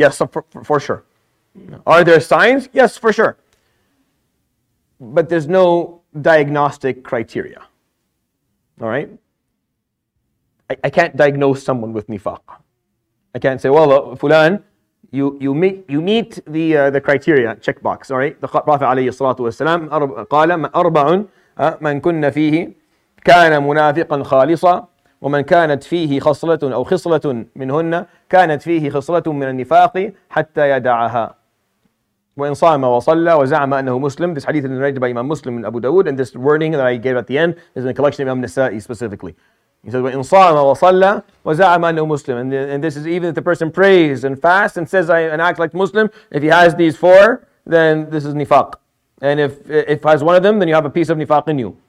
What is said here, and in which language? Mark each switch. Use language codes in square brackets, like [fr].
[en] Yes, for sure. Are there signs? Yes, for sure. But there's no diagnostic criteria. All right? I can't diagnose someone with nifaq. I can't say, well, fulan, you meet the criteria checkbox. All right, the Prophet [ar] عليه الصلاة والسلام قال أربع من كنا فيه كان منافقا خالصا ومن كانت فيه خصلة أو خصلة منهن كانت فيه خصلة من النفاق حتى يدعها وإن صام وصلى وزعم أنه مسلم. [en] This hadith is narrated by Imam Muslim and Abu Dawood, and this warning that I gave at the end is in a collection of Imam Nasa'i specifically. He says, [ar] وَإِنْ صَامَ وَصَلَّ وَزَعَمَ أَنَّهُ مُسْلِمٌ. [en] And this is even if the person prays and fasts and says, and acts like Muslim, if he has these four, then this is nifaq. And if has one of them, then you have a piece of nifaq in you.